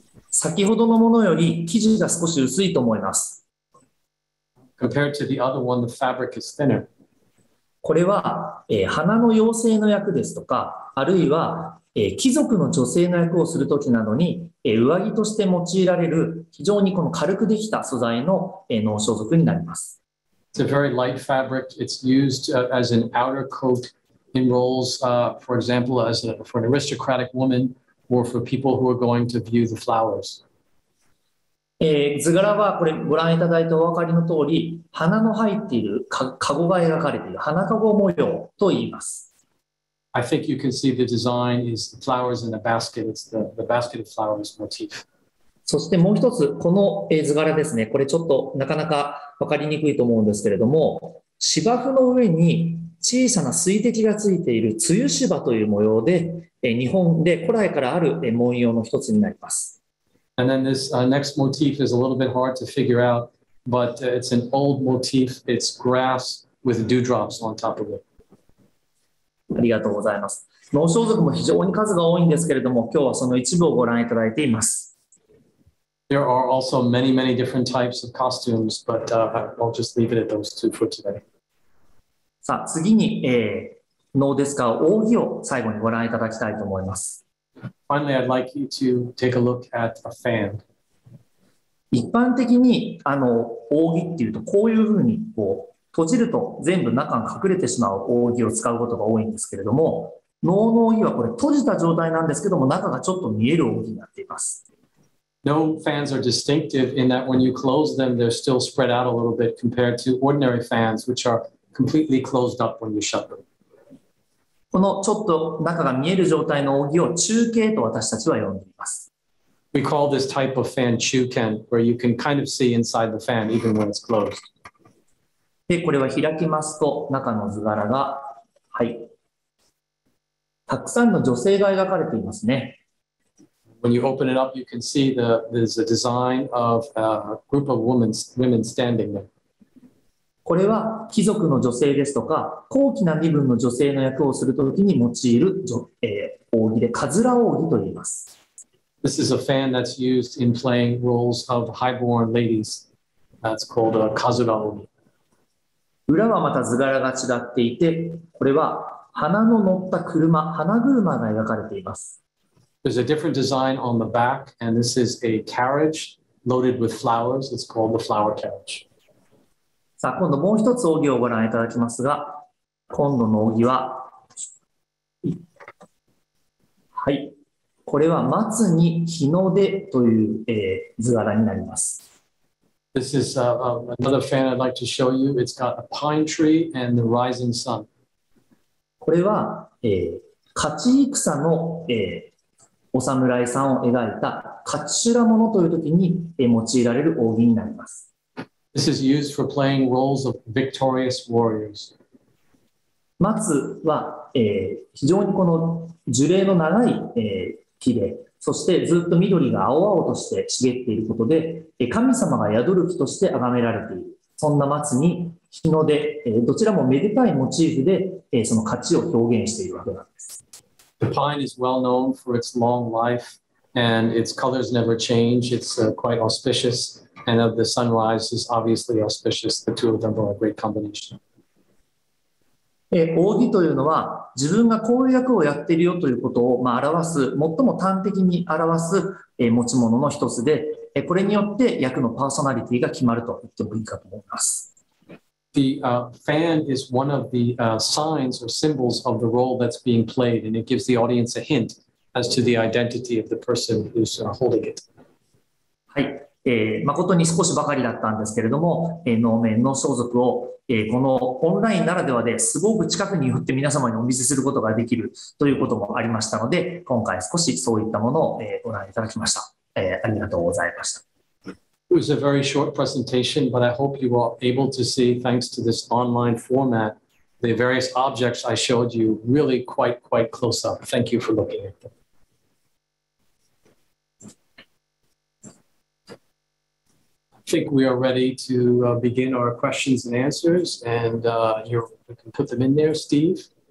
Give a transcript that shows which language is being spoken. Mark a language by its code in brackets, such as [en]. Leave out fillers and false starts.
[ja] 先ほどのものより生地が少し薄いと思います。 [en] Compared to the other one, the fabric is thinner. [ja] これは、花の妖精の役ですとか、あるいは、貴族の女性の役をするときなどに、上着として用いられる非常にこの軽くできた素材の、能装束になります。 [en] It's a very light fabric. It's used as an outer coat in roles, for example, for an aristocratic woman. Or for people who are going to view the flowers. [ja] 図柄はこれご覧いただいてお分かりの通り、花の入っている籠が描かれている花籠模様と言います。 [en] I think you can see the design is the flowers in the basket. It's the basket of flowers motif. [ja] そしてもう一つこの図柄ですね。これちょっとなかなか分かりにくいと思うんですけれども、芝生の上に小さな水滴がついている梅雨芝という模様で。日本で古来からある文様の一つになります。 [en] And then this next motif is a little bit hard to figure out, but it's an old motif. It's grass with dewdrops on top of it. [ja] ありがとうございます。能装束も非常に数が多いんですけれども、今日はその一部をご覧いただいています。 [en] There are also many, many different types of costumes, but I'll just leave it at those two for today. [ja] さあ、次に、ノーデスカー扇を最後にご覧いただきたいと思います。 [en] Finally, I'd like you to take a look at a fan. [ja] 一般的に扇っていうとこういうふうにこう閉じると全部中が隠れてしまう扇を使うことが多いんですけれども、能の扇はこれ閉じた状態なんですけども中がちょっと見える扇になっています。 [en] No fans are distinctive in that when you close them, they're still spread out a little bit compared to ordinary fans, which are completely closed up when you shut them. [ja] このちょっと中が見える状態の扇を中景と私たちは呼んでいます。 [en] We call this type of fan 中見, where you can kind of see inside the fan even when it's closed. [ja] で、これは開きますと中の図柄が、はい。たくさんの女性が描かれていますね。 [en] When you open it up, you can see the, there's a design of a group of women standing there. [ja] これは貴族の女性ですとか高貴な身分の女性の役をするときに用いる、扇で、かずら扇と言います。 [en] This is a fan that's used in playing roles of high-born ladies. That's called a kazura obi. [ja] 裏はまた図柄が違っていて、これは花の乗った車、花車が描かれています。 [en] There's a different design on the back, and this is a carriage loaded with flowers. It's called the flower carriage. [ja] さあ今度もう一つ扇をご覧いただきますが、今度の扇は、はい、これは松に日の出という、図柄になります。 [en] This is another fan I'd like to show you. It's got a pine tree and the rising sun. [ja] これは、勝ち戦の、お侍さんを描いた勝ち修羅物という時に、用いられる扇になります。 [en] This is used for playing roles of victorious warriors. [ja] 松は、非常にこの樹齢の長い、木で、そしてずっと緑が青々として茂っていることで、神様が宿る木として崇められている。そんな松に日の出、どちらもめでたいモチーフで、その価値を表現しているわけなんです。 [en] The pine is well known for its long life and its colors never change. It's quite auspicious. And of the sunrise is obviously auspicious. The two of them are a great combination. [ja] 扇というのは自分がこういう役をやっているよということを、まあ、表す最も端的に表す、持ち物の一つで、これによって役のパーソナリティが決まると言ってもいいかと思います。 [en] The fan is one of the signs or symbols of the role that's being played, and it gives the audience a hint as to the identity of the person who's holding it. [ja] はい。誠に少しばかりだったんですけれども、能面の装束を、このオンラインならではですごく近くに寄って皆様にお見せすることができるということもありましたので、今回少しそういったものを、ご覧いただきました、ありがとうございました。 [en] It was a very short presentation, but I hope you were able to see, thanks to this online format, the various objects I showed you really quite close up. Thank you for looking at them. I think we are ready to begin our questions and answers, and we can put them in there, Steve.